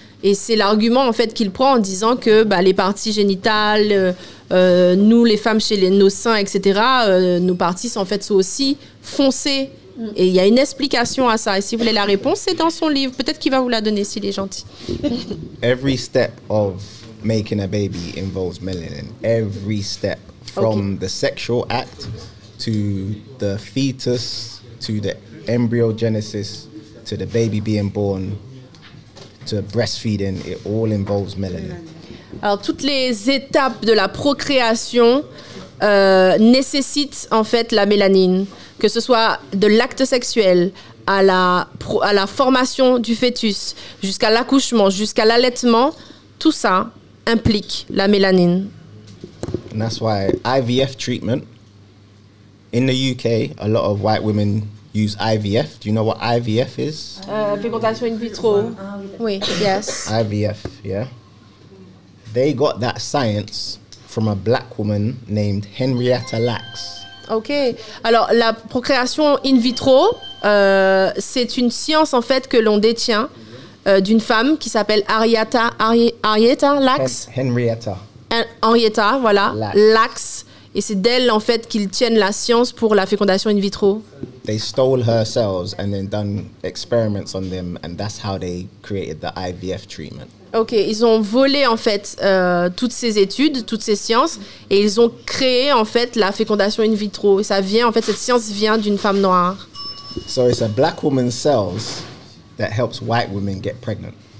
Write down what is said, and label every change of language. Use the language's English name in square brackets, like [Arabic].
[French] Et c'est l'argument en fait qu'il prend en disant que les parties génitales, nous les femmes chez nos seins, etc., nos parties sont en fait aussi foncées. Et il y a une explication à ça. Et si vous voulez la réponse, c'est dans son livre. Peut-être qu'il va vous la donner s'il est gentil. [English] Every step of making a baby involves melanin. Every step from the sexual act to the fetus to the embryogenesis to the baby being born to breastfeeding, it all involves melanin. [French] Alors, toutes les étapes de la procréation nécessitent en fait la mélanine. Que ce soit de l'acte sexuel à la formation du fœtus, jusqu'à l'accouchement, jusqu'à l'allaitement, tout ça implique la mélanine. [English] And that's why IVF treatment, in the UK, a lot of white women use IVF. Do you know what IVF is? [French] Fécondation in vitro. Oui, yes. [English] IVF, yeah. They got that science from a black woman named Henrietta Lacks. [French] Ok, alors la procréation in vitro, c'est une science en fait que l'on détient d'une femme qui s'appelle Henrietta Lacks. Henrietta, voilà, Lacks. Et c'est d'elle en fait qu'ils tiennent la science pour la fécondation in vitro. [English] They stole her cells and then done experiments on them and that's how they created the IVF treatment. [French] Ok, ils ont volé en fait toutes ces études, toutes ces sciences, et ils ont créé en fait la fécondation in vitro. Et ça vient, en fait, cette science vient d'une femme noire. [English] So it's a black woman's cells that helps white women get pregnant.